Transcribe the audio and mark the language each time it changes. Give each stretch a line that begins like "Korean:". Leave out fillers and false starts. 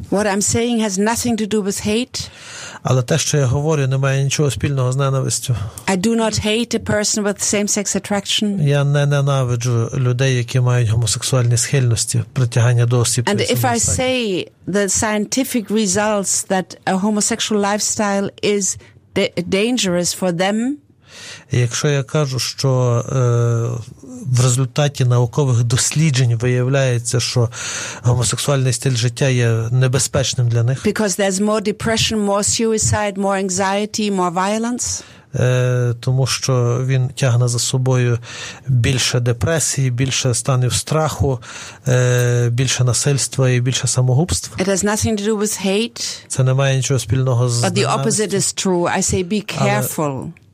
English: What I'm saying has nothing to do with hate.
Ukrainian: Але те, що я говорю, не має нічого спільного з ненавистю.
English: I do not hate a person with same-sex attraction.
Ukrainian: Я не ненавиджу людей, які мають гомосексуальні схильності, притягання до осіб.
English: And if I say the scientific results that a homosexual lifestyle is dangerous for them,
Ukrainian: якщо я кажу, що в результаті наукових досліджень виявляється, що гомосексуальний стиль життя є небезпечним для них.
English: Because there's more depression, more suicide, more anxiety, more violence.
Ukrainian: Тому що він тягне за собою більше депресії, більше станів страху, більше насильства і більше самогубств.
English: It has nothing to do with hate.
Ukrainian: Це не має нічого спільного з.
English: But the opposite is true. I say be careful.